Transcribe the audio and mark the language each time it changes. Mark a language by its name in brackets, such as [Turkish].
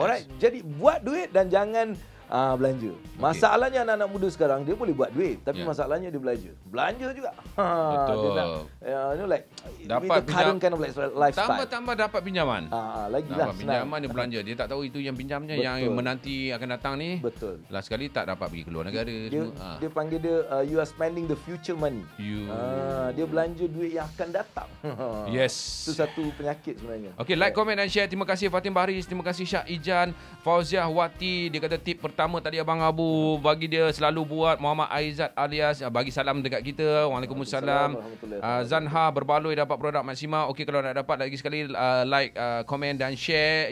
[Malay] Alright? Jadi buat duit dan jangan belanja. Masalahnya anak-anak muda sekarang, dia boleh buat duit. Tapi masalahnya dia belanja. Belanja juga. Betul. Dia nak, [English] you know, like, [Malay] dapat pinjaman. [English] Kind of like [Malay] tambah dapat pinjaman. Lagilah. Dapat pinjaman senang. Dia belanja. Dia tak tahu itu yang pinjamnya. Betul. Yang menanti akan datang ni. Betul. Last sekali tak dapat pergi keluar negara. Dia panggil dia, [English] you are spending the future money. [Malay] Dia belanja duit yang akan datang. [English] Yes. [Malay] Itu satu penyakit sebenarnya. Okay, like, comment dan share. Terima kasih Fatin Bahri. Terima kasih Syah Ijan. Fauziah Wati. Dia kata tip pertama tadi Abang Abu bagi dia selalu buat. Muhammad Aizat alias bagi salam dekat kita. Waalaikumsalam. Zanha Berbaloi dapat produk Maxima. Okey, kalau nak dapat lagi sekali like, komen dan share.